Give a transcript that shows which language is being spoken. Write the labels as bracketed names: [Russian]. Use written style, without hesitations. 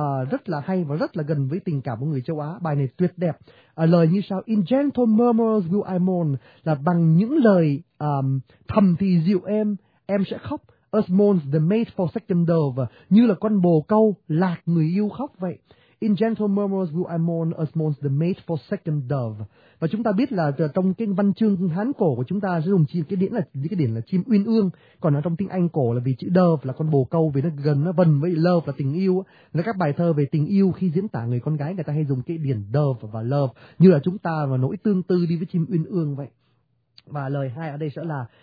[Vietnamese] Rất là hay và rất là gần với tình cảm của người châu Á. Bài này tuyệt đẹp. Lời như sau: [English] In gentle murmurs will I mourn, [Vietnamese] là bằng những lời thầm thì dịu em sẽ khóc. [English] As mourns the mate for second dove, [Vietnamese] như là con bồ câu lạc người yêu khóc vậy. [English] In gentle murmurs will I mourn, as mourns the mate for second dove. [Vietnamese] Và chúng ta biết là trong cái văn chương Hán cổ của chúng ta sẽ dùng chim, cái điển là chim uyên ương. Còn ở trong tiếng Anh cổ là vì chữ dove là con bồ câu, vì nó gần, nó vần với love là tình yêu. Là các bài thơ về tình yêu khi diễn tả người con gái, người ta hay dùng cái điển dove và love, như là chúng ta và nỗi tương tư đi với chim uyên ương vậy. Và lời hai ở đây sẽ là